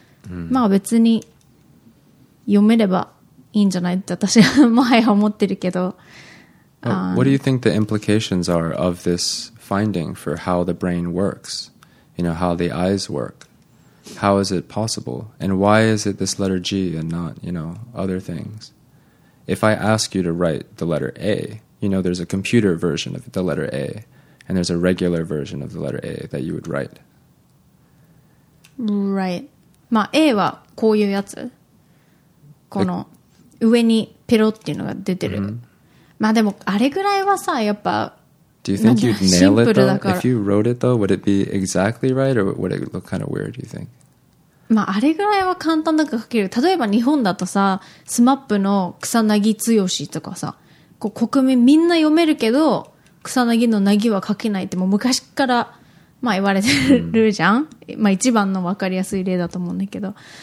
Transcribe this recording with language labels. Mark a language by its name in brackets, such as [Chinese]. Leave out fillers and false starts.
[Japanese] うん、まあ別に読めればいいんじゃないって私は前は思ってるけど、 [English] What do you think the implications are of this finding for how the brain works? You know, how the eyes work? How is it possible? And why is it this letter G and not, you know, other things? If I ask you to write the letter A, you know, there's a computer version of the letter A and there's a regular version of the letter A that you would write. Right. [Japanese] まあ、A はこういうやつ。この上にペロっていうのが出てる。まあでもあれぐらいはさ、やっぱ、 [English] Do you think you'd nail it though? If you wrote it though, would it be exactly right or would it look kind of weird, do you think? [Japanese] まああれぐらいは簡単だから書ける。例えば日本だとさ、SMAP の草薙剛とかさ、こう国民みんな読めるけど、草薙の薙は書けないってもう昔から、まあ言われてるじゃん、まあ一番の分かりやすい例だと思うんだけど。